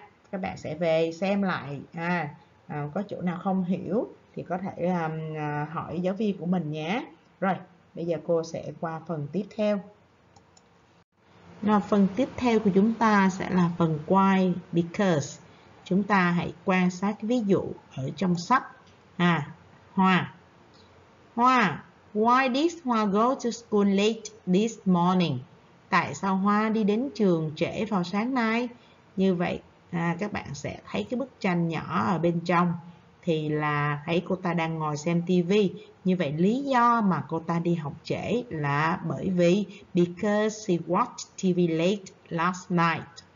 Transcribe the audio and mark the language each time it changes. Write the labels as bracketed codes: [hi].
[vi] Các bạn sẽ về xem lại, có chỗ nào không hiểu thì có thể hỏi giáo viên của mình nhé. Rồi, bây giờ cô sẽ qua phần tiếp theo. Phần tiếp theo của chúng ta sẽ là phần why, because. chúng ta hãy quan sát ví dụ ở trong sách. À, Hoa. [en] Hoa, why did Hoa go to school late this morning? [vi] Tại sao Hoa đi đến trường trễ vào sáng nay? Như vậy, các bạn sẽ thấy cái bức tranh nhỏ ở bên trong. Thì là thấy cô ta đang ngồi xem tivi. Như vậy lý do mà cô ta đi học trễ là bởi vì [en] because she watched TV late last night.